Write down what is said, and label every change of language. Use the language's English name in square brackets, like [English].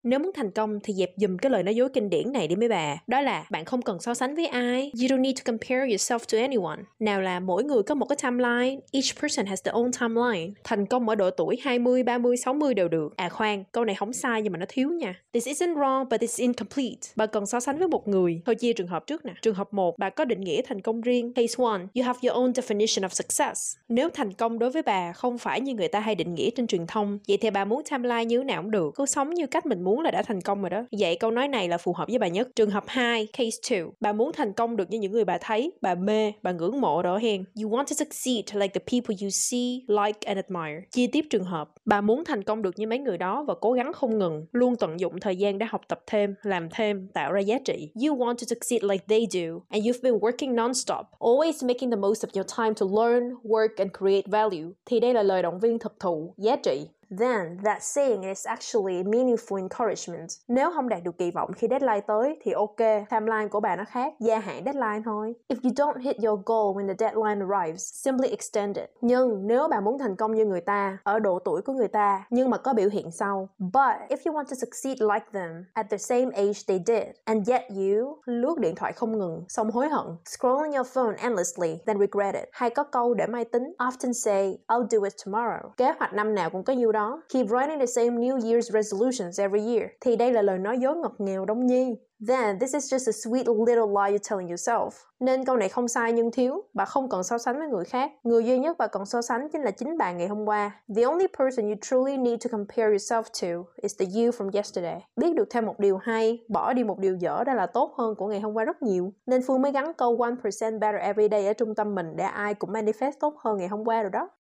[Vietnamese] Nếu muốn thành công thì dẹp dùm cái lời nói dối kinh điển này đi mấy bà. Đó là bạn không cần so sánh với ai. [English] You don't need to compare yourself to anyone. [Vietnamese] Nào là mỗi người có một cái timeline. [English] Each person has their own timeline. [Vietnamese] Thành công ở độ tuổi 20, 30, 60 đều được. À khoan, câu này không sai nhưng mà nó thiếu nha. [English] This isn't wrong but it's incomplete. [Vietnamese] Bà cần so sánh với một người. Thôi chia trường hợp trước nè. Trường hợp 1, bà có định nghĩa thành công riêng. [English] Case 1, you have your own definition of success. [Vietnamese] Nếu thành công đối với bà không phải như người ta hay định nghĩa trên truyền thông, vậy thì bà muốn timeline như thế nào cũng được. Cứ sống như cách mình muốn là đã thành công rồi đó. Vậy câu nói này là phù hợp với bà nhất. Trường hợp 2, case 2. Bà muốn thành công được như những người bà thấy, bà mê, bà ngưỡng mộ đó hen. [English] You want to succeed like the people you see, like and admire. [Vietnamese] Chia tiếp trường hợp, bà muốn thành công được như mấy người đó và cố gắng không ngừng, luôn tận dụng thời gian để học tập thêm, làm thêm, tạo ra giá trị. [English] You want to succeed like they do and you've been working non-stop, always making the most of your time to learn, work and create value. [Vietnamese] Thì đây là lời động viên thực thụ, giá trị. [English] Then, that saying is actually meaningful encouragement. [Vietnamese] Nếu không đạt được kỳ vọng khi deadline tới, thì ok, timeline của bà nó khác, gia hạn deadline thôi. [English] If you don't hit your goal when the deadline arrives, simply extend it. [Vietnamese] Nhưng nếu bà muốn thành công như người ta, ở độ tuổi của người ta, nhưng mà có biểu hiện sau. [English] But if you want to succeed like them, at the same age they did, and yet you [Vietnamese] lướt điện thoại không ngừng, xong hối hận, [English] scrolling your phone endlessly, then regret it. [Vietnamese] Hay có câu để máy tính, [English] often say, I'll do it tomorrow. [Vietnamese] Kế hoạch năm nào cũng có nhiều đó. [English] Keep writing the same New Year's resolutions every year. [Vietnamese] Thì đây là lời nói dối ngọt ngào đông nhi. [English] Then, this is just a sweet little lie you're telling yourself. [Vietnamese] Nên câu này không sai nhưng thiếu. Bà không cần so sánh với người khác. Người duy nhất bà cần so sánh chính là chính bà ngày hôm qua. [English] The only person you truly need to compare yourself to is the you from yesterday. [Vietnamese] Biết được thêm một điều hay, bỏ đi một điều dở đã là tốt hơn của ngày hôm qua rất nhiều. Nên Phương mới gắn câu [English] 1% better every day [Vietnamese] ở trung tâm mình để ai cũng manifest tốt hơn ngày hôm qua rồi đó.